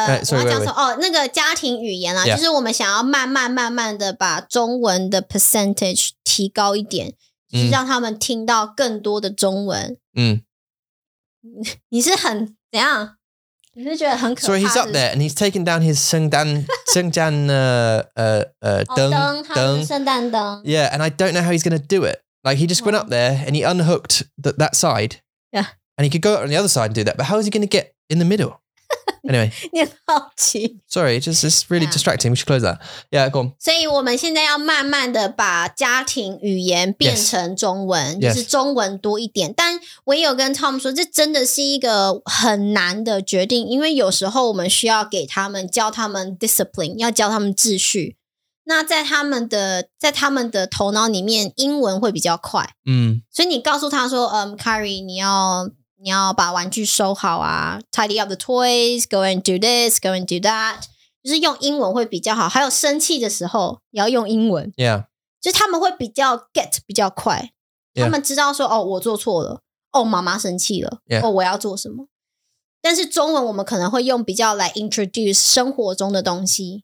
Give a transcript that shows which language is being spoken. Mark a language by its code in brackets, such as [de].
[zh] 对,好了,对啦,我要讲说,那个家庭语言啦, 就是我们想要慢慢的把中文的 percentage 提高一点, 就是让他们听到更多的中文。你是很怎样？你是觉得很可怕？ [en] Sorry, he's up there and he's taking down his [zh] 圣诞灯。 [en] Yeah, and I don't know how he's going to do it. Like, he just went up there and he unhooked that side. Yeah. And he could go on the other side and do that, but how is he going to get in the middle? Anyway. [zh] 你很好奇。 [en] Sorry, it's really distracting. We should close that. Yeah, go on. [zh] 所以我们现在要慢慢的把家庭语言变成中文, 就是中文多一点。但我也有跟Tom说, 这真的是一个很难的决定, 因为有时候我们需要给他们, 教他们discipline, 要教他们秩序。那在他们的头脑里面, 英文会比较快。 所以你告诉他说, Carrie, 你要你要把玩具收好啊, [en] tidy up the toys, go and do this, go and do that. [zh] 就是用英文会比较好, 还有生气的时候, 也要用英文。 [en] Yeah. [zh] 就是他们会比较 get 比较快。Yeah. 他们知道说, 哦, 我做错了, 哦, 妈妈生气了, [en] yeah. [zh] 哦, 我要做什么。但是中文我们可能会用比较 [en] like introduce [zh] 生活中的东西,